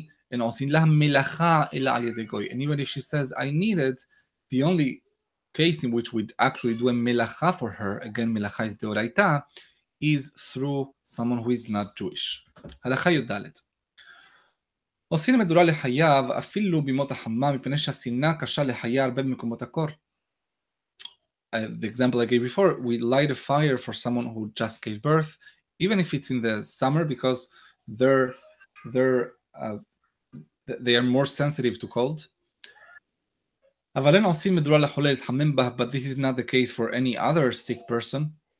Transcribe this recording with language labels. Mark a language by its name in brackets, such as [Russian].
[English] And even if she says, I need it, the only case in which we'd actually do a melacha for her, again, melacha is deoraita, is through someone who is not Jewish. [Hebrew] Halacha yod dalet. עושים מדורה לחייו אפילו בימות החמה מפני שהסינה קשה לחיה הרבה במקומות הקור. [English] The example I gave before, we light a fire for someone who just gave birth, even if it's in the summer, because they are more sensitive to cold. [Hebrew] אבל אין עושים מדורה לחולה להתחמם בה, [English] but this is not the case for any other sick person.